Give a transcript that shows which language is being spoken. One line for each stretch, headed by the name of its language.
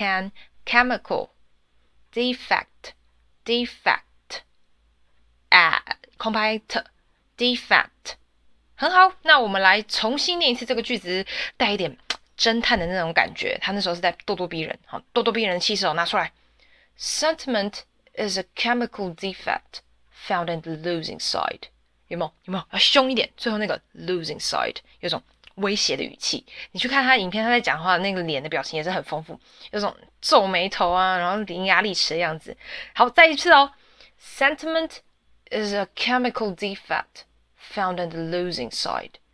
English: Sentiment，chemical，chemical，can，can，chemical。
Chinese: 空拍 t，defect，很好。那我们来重新念一次这个句子，带一点侦探的那种感觉。他那时候是在咄咄逼人，好，咄咄逼人的气势哦，拿出来。
English: Sentiment is a chemical defect found in the losing side。
Chinese: 有没有？有没有？要凶一点，最后那个 losing side 有种威胁的语气，你去看他影片，他在讲话那个脸的表情也是很丰富，有种皱眉头啊，然后伶牙俐齿的样子。好，再一次哦，
English: Sentiment is a chemical defect found in the losing side。